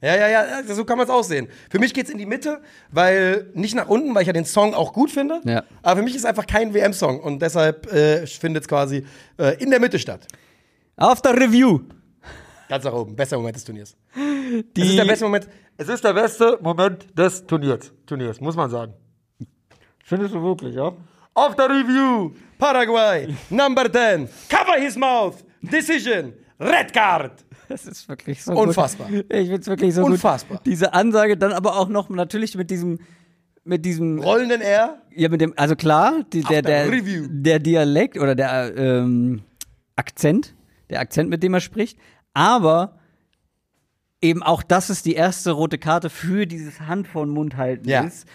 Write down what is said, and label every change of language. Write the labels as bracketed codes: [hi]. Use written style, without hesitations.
[de] Ja, so kann man es auch sehen. Für mich geht es in die Mitte, weil nicht nach unten, weil ich ja den Song auch gut finde. Ja. Aber für mich ist es einfach kein WM-Song. Und deshalb findet es quasi in der Mitte statt. [en] After Review. [de] Ganz nach oben. Bester Moment des Turniers. Es ist der beste Moment des Turniers, muss man sagen. Findest du wirklich, ja? [en] After Review, Paraguay, Number 10, Cover His Mouth, Decision, Red Card. [de] Das ist wirklich so unfassbar. Gut. Ich find's wirklich so unfassbar. Gut. Diese Ansage dann aber auch noch natürlich mit diesem rollenden R. Ja, mit dem, also klar, der Dialekt oder der Akzent, mit dem er spricht, aber eben auch, dass es die erste rote Karte für dieses Hand vor den Mund halten ist.